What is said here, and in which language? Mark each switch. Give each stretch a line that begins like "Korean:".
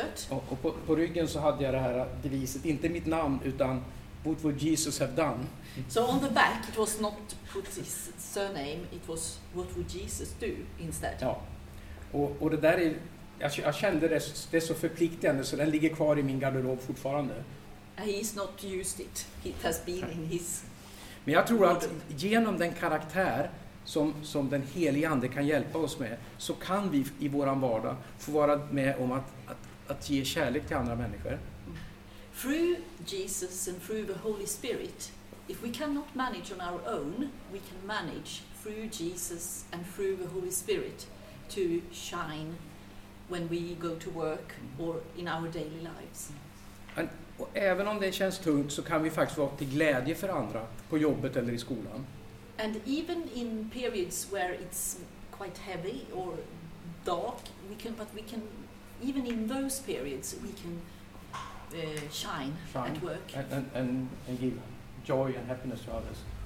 Swedish: Och på ryggen så hade jag det här deviset, inte mitt namn utan
English: "What would Jesus have done?" So on the back it was not put his surname, it was "What would Jesus do?" instead.
Swedish: Ja. Och det där är, jag kände det är så förpliktigande så den ligger kvar i min garderob fortfarande.
English: He's not used it. It has been in his.
Swedish: Men jag tror att genom den karaktär som den helige ande kan hjälpa oss med, så kan vi i våran vardag få vara med om att ge kärlek till andra människor.
English: Through Jesus and through the Holy Spirit, if we cannot manage on our own, we can manage through Jesus and through the Holy Spirit to shine when we go to work or in our daily lives.
Swedish: Och även om det känns tungt så kan vi faktiskt vara till glädje för andra på jobbet eller i skolan.
English: And even in periods where it's quite heavy or dark, we can even in those periods we can shine at work and give joy and happiness to others.